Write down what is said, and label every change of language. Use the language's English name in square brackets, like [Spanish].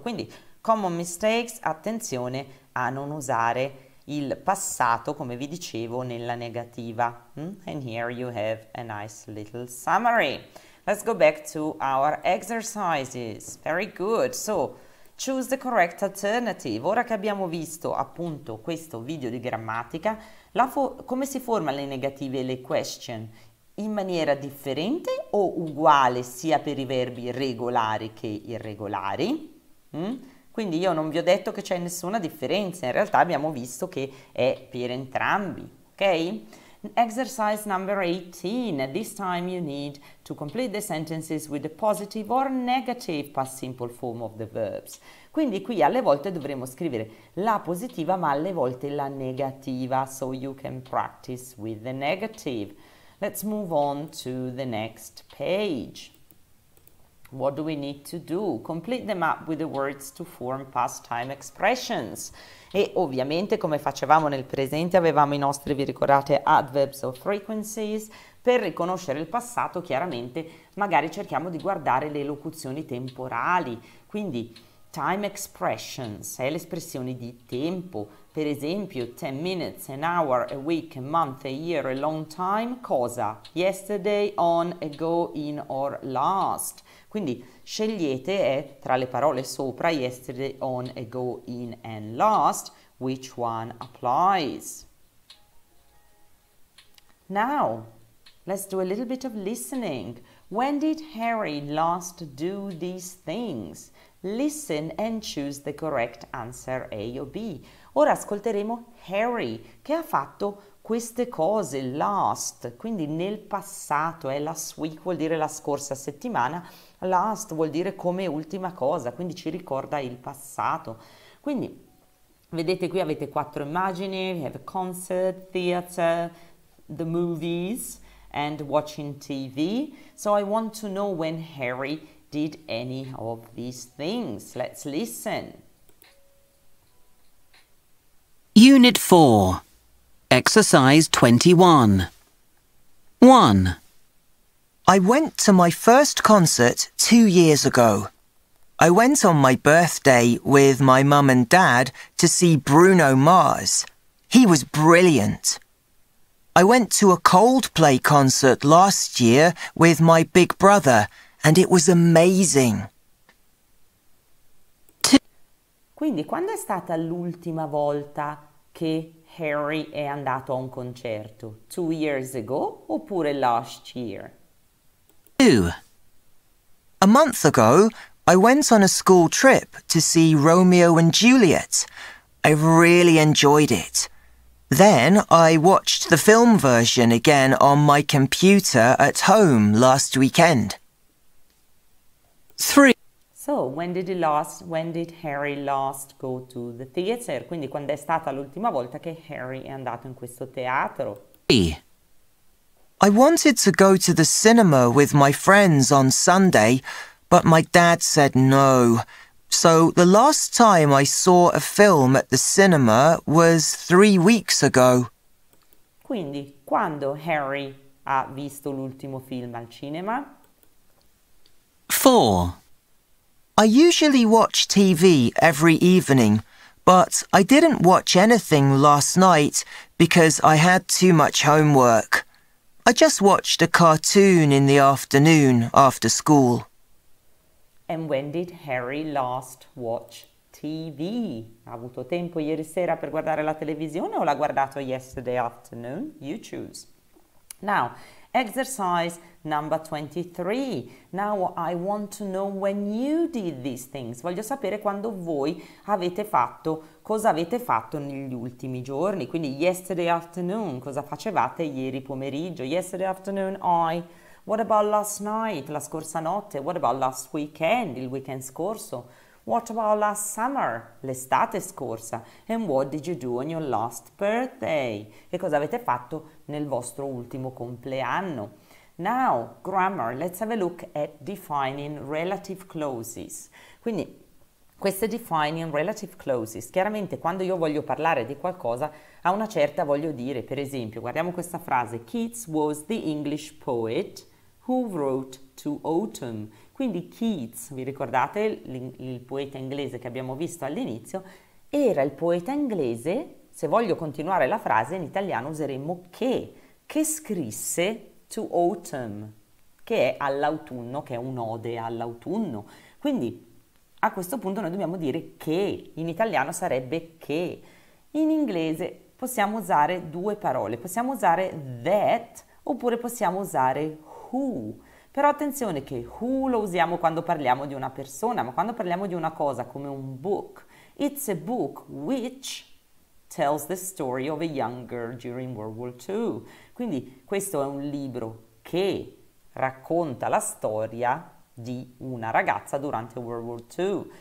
[Italian] Quindi, [English] common mistakes, [Italian] attenzione a non usare il passato come vi dicevo nella negativa. [English] And here you have a nice little summary. Let's go back to our exercises. Very good. So, choose the correct alternative. [Italian] Ora che abbiamo visto appunto questo video di grammatica, come si forma le negative e le question? In maniera differente o uguale sia per i verbi regolari che irregolari? Quindi io non vi ho detto che c'è nessuna differenza, in realtà abbiamo visto che è per entrambi, ok? [English] Exercise number 18. This time you need to complete the sentences with a positive or negative past simple form of the verbs. [Italian] Quindi qui alle volte dovremo scrivere la positiva, ma alle volte la negativa, [English] so you can practice with the negative. Let's move on to the next page. What do we need to do? Complete the map with the words to form past time expressions. [Italian] E ovviamente, come facevamo nel presente, avevamo i nostri, vi ricordate, [English] adverbs of frequencies. [Italian] Per riconoscere il passato, chiaramente, magari cerchiamo di guardare le locuzioni temporali. Quindi, time expressions è l'espressione di tempo. Per esempio, [English] 10 minutes, an hour, a week, a month, a year, a long time. [Italian] Cosa? [English] Yesterday, on, ago, in or last. [Italian] Quindi scegliete tra le parole sopra, [English] yesterday, on, ago, in and last, which one applies. Now, let's do a little bit of listening. When did Harry last do these things? Listen and choose the correct answer A or B. [Italian] Ora ascolteremo Harry, che ha fatto queste cose last, quindi nel passato, last week vuol dire la scorsa settimana, last vuol dire come ultima cosa, quindi ci ricorda il passato. Quindi vedete qui avete quattro immagini, [English] we have a concert, theater, the movies and watching TV. So I want to know when Harry did any of these things. Let's listen. Unit 4. Exercise 21. 1. I went to my first concert 2 years ago. I went on my birthday with my mum and dad to see Bruno Mars. He was brilliant. I went to a Coldplay concert last year with my big brother, and it was amazing. [Italian] Quindi, quando è stata l'ultima volta che Harry è andato a un concerto? [English] 2 years ago oppure last year? 2. A month ago, I went on a school trip to see Romeo and Juliet. I really enjoyed it. Then I watched the film version again on my computer at home last weekend. 3. So, when did Harry last go to the theater? [Italian] Quindi quando è stata l'ultima volta che Harry è andato in questo teatro? [English] I wanted to go to the cinema with my friends on Sunday, but my dad said no. So the last time I saw a film at the cinema was 3 weeks ago. [Italian] Quindi quando Harry ha visto l'ultimo film al cinema? [English] 4. I usually watch TV every evening, but I didn't watch anything last night because I had too much homework. I just watched a cartoon in the afternoon after school. And when did Harry last watch TV? [Italian] Ha avuto tempo ieri sera per guardare la televisione o l'ha guardato [English] yesterday afternoon? You choose. Now, Exercise number 23. Now I want to know when you did these things. [Italian] Voglio sapere quando voi avete fatto, cosa avete fatto negli ultimi giorni. Quindi [English] yesterday afternoon, [Italian] cosa facevate ieri pomeriggio? [English] Yesterday afternoon I... What about last night? [Italian] La scorsa notte? [English] What about last weekend? [Italian] Il weekend scorso? [English] What about last summer? [Italian] L'estate scorsa? [English] And what did you do on your last birthday? [Italian] Che cosa avete fatto nel vostro ultimo compleanno? [English] Now, grammar. Let's have a look at defining relative clauses. [Italian] Quindi, queste defining relative clauses. Chiaramente, quando io voglio parlare di qualcosa, a una certa voglio dire, per esempio, guardiamo questa frase. [English] Keats was the English poet who wrote to autumn. [Italian] Quindi Keats, vi ricordate il poeta inglese che abbiamo visto all'inizio, era il poeta inglese, se voglio continuare la frase in italiano useremmo che scrisse to autumn, che è all'autunno, che è un'ode all'autunno. Quindi a questo punto noi dobbiamo dire che, in italiano sarebbe che. In inglese possiamo usare due parole, possiamo usare that oppure possiamo usare who. Però attenzione che who lo usiamo quando parliamo di una persona, ma quando parliamo di una cosa come un book. [English] It's a book which tells the story of a young girl during World War II. [Italian] Quindi questo è un libro che racconta la storia di una ragazza durante World War II.